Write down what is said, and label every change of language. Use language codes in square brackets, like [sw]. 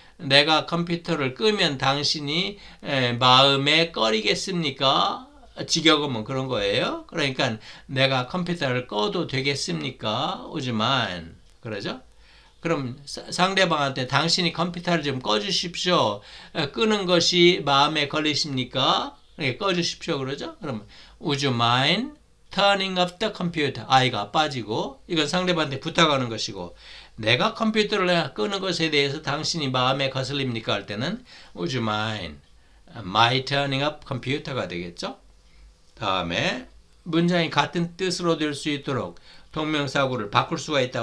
[ko] 내가 컴퓨터를 끄면 당신이 마음에 꺼리겠습니까? 직역음은 그런 거예요. 그러니까 내가 컴퓨터를 꺼도 되겠습니까? [en] Would you mind? [ko] 그러죠? 그럼 상대방한테 당신이 컴퓨터를 좀 꺼주십시오. 끄는 것이 마음에 걸리십니까? 네, 꺼주십시오. 그러죠? 그럼 [en] Would you mind turning off the computer? [ko] 아이가 빠지고 이건 상대방한테 부탁하는 것이고 내가 컴퓨터를 끄는 것에 대해서 당신이 마음에 거슬립니까? 할 때는 [en] Would you mind my turning off computer [ko] 가 되겠죠? 다음에 문장이 같은 뜻으로 될 수 있도록 동명사구를 바꿀 수가 있다.